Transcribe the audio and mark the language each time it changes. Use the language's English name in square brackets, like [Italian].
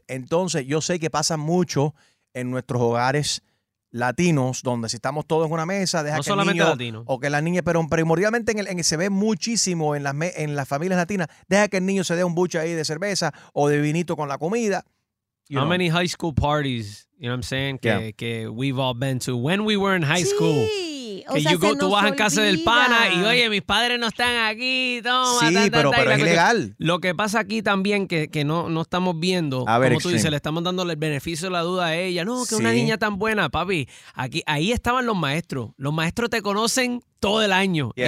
[Spanish] Entonces, yo sé que pasa mucho en nuestros hogares latinos, donde si estamos todos en una mesa, deja no que solamente el niño, latino. O que la niña, pero primordialmente se ve muchísimo en las familias latinas, deja que el niño se dé un buche ahí de cerveza o de vinito con la comida. [English] How many high school parties, you know what I'm saying, [Spanish] que [English] we've all been to when we were in high school. [Spanish] Sí. Que sea, tú vas en casa del pana y, oye, mis padres no están aquí, toma. Sí, pero es ilegal. Lo que pasa aquí también, que no estamos viendo, a ver, como tú dices, le estamos dando el beneficio de la duda a ella. No, que sí. Una niña tan buena, papi. Aquí, ahí estaban los maestros. Los maestros te conocen todo el año. [English] Yes.